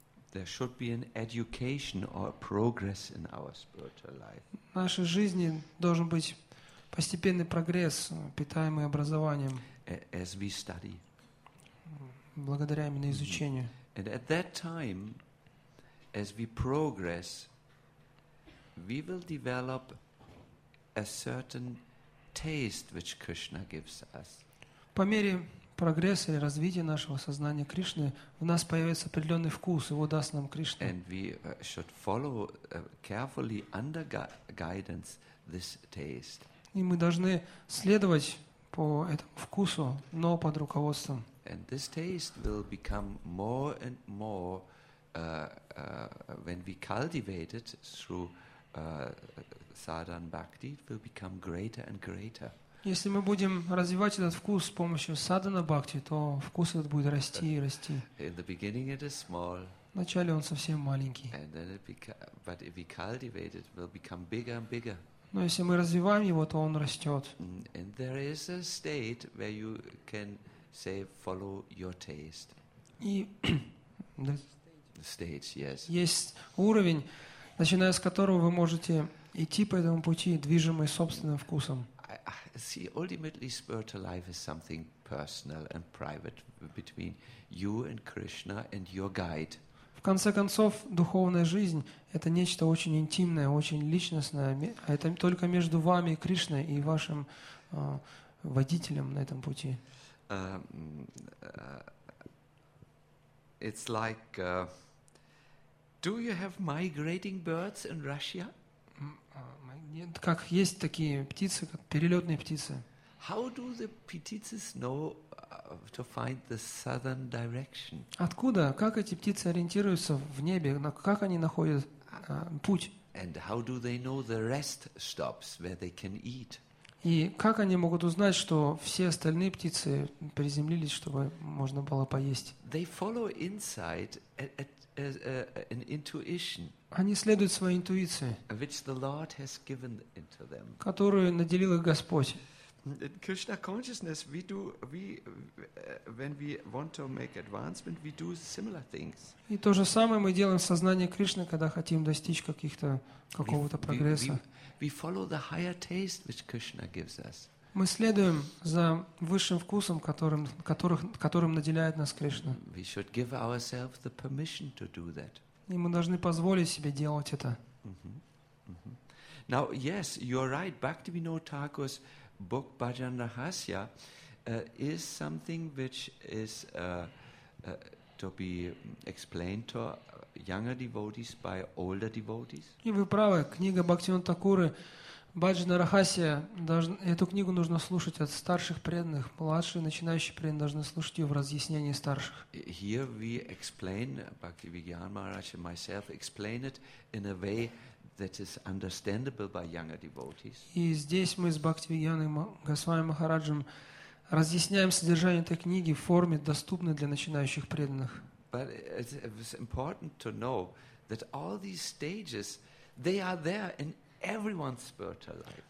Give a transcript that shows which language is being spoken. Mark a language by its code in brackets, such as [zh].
[en] There should be an education or progress in our spiritual life. [ru] В нашей жизни должен быть постепенный прогресс, питаемый образованием. [en] As we study. [ru] Благодаря именно изучению. [en] And at that time, as we progress, we will develop a certain taste which Krishna gives us. [ru] По мере прогресса и развития нашего сознания Кришны в нас появится определенный вкус, его даст нам Кришна. [en] And we should follow carefully under guidance this taste. [ru] И мы должны следовать по этому вкусу, но под руководством. [en] And this taste will become more and more when we cultivate it through sadhan bhakti, it will become greater and greater. [ru] Если мы будем развивать этот вкус с помощью садхана бхакти, то вкус этот будет расти и расти. [en] In the beginning it is small. [ru] Вначале он совсем маленький. [en] And then but if we cultivate it, it will become bigger and bigger. [ru] Но если мы развиваем его, то он растет. [en] And there is a state where you can say follow your taste. [ru] И [en] states, yes. [ru] Есть уровень, начиная с которого вы можете идти по этому пути, движимый собственным вкусом. [en] See, ultimately, spiritual life is something personal and private between you and Krishna and your guide. [ru] В конце концов, духовная жизнь – это нечто очень интимное, очень личностное, а это только между вами и Кришной, и вашим водителем на этом пути. [en] It's like, do you have migrating birds in Russia? [ru] Нет, как есть такие птицы, как перелетные птицы. [en] How do the птицы know to find the southern direction? [ru] Откуда, как эти птицы ориентируются в небе, как они находят путь? [en] And how do they know the rest stops where they can eat? [ru] И как они могут узнать, что все остальные птицы приземлились, чтобы можно было поесть? [en] They follow insight an intuition. [ru] Они следуют своей интуиции, [en] which the Lord has given into them. [ru] Которую наделил их Господь. [en] In Krishna consciousness, when we want to make advancement, we do similar things. [ru] И то же самое мы делаем в сознании Кришны, когда хотим достичь какого-то прогресса. [en] We follow the higher taste which Krishna gives us. [ru] Мы следуем за высшим вкусом, которым наделяет нас Кришна. [en] We should give ourselves the permission to do that. [ru] И мы должны позволить себе делать это. [en] Now, yes, you are right. Bhaktivinoda Thakur's book Bhajan Rahasya is something which is to be explained to younger devotees by older devotees. [ru] И вы правы, книга Бхактивинода Такуры Баджана Рахасия, эту книгу нужно слушать от старших преданных, младшие начинающие преданные должны слушать ее в разъяснении старших. [en] Here we explain, Bhakti Vigyan Maharaj and myself explain it in a way that is understandable by younger devotees. [ru] И здесь мы с Бхакти Вигьяной Госвами Махараджем разъясняем содержание этой книги в форме, доступной для начинающих преданных. [en] But it's important to know that all these stages, they are there in everyone's spiritual life.